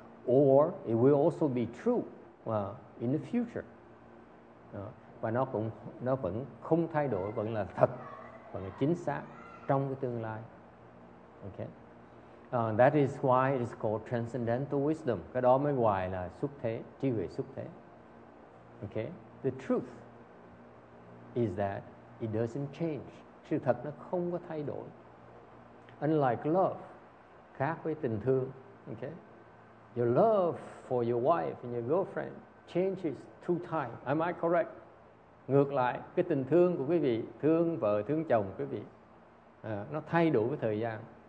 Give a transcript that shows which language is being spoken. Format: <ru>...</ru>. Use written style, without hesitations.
<en>Or it will also be true in the future.</en> <vi>Và nó vẫn không thay đổi, vẫn là thật, vẫn là chính xác trong cái tương lai.</vi> <en>Okay. That is why it is called transcendental wisdom.</en> <vi>Cái đó mới gọi là xuất thế, trí huệ xuất thế. Okay.</vi> <en>The truth is that it doesn't change.</en> <vi>Sự thật nó không có thay đổi.</vi> <en>Unlike love,</en> <vi>khác với tình thương.</vi> <en>Okay. Your love for your wife and your girlfriend changes through time. Am I correct?</en> <vi>Ngược lại, cái tình thương của quý vị, thương vợ, thương chồng quý vị, nó thay đổi với thời gian.</vi>